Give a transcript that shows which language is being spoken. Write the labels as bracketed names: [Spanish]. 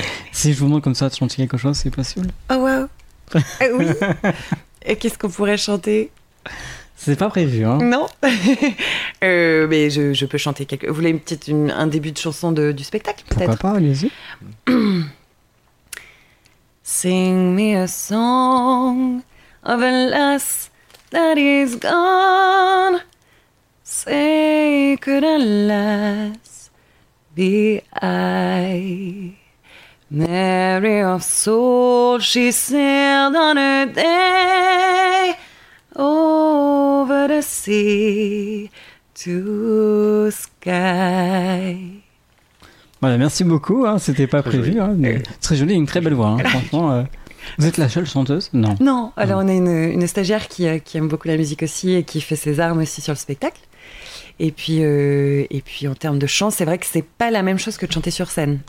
[French] Si je vous demande comme ça de chanter quelque chose, c'est possible? Oh wow. Ah oui. Et qu'est-ce qu'on pourrait chanter? C'est pas prévu, hein. Non. Mais je peux chanter quelque... Vous voulez un début de chanson du spectacle, peut-être? Pourquoi pas, allez-y. [English] Sing me a song of a lass that is gone. Say, could a lass be I? Mary of soul, she sailed on her day over the sea to sky. [French] Voilà, merci beaucoup, hein, c'était pas prévu, hein, mais très jolie, une très belle voix, hein, franchement. Vous êtes la seule chanteuse? Non. Non, alors non. On est une stagiaire qui aime beaucoup la musique aussi et qui fait ses armes aussi sur le spectacle. Et puis en termes de chant, c'est vrai que c'est pas la même chose que de chanter sur scène.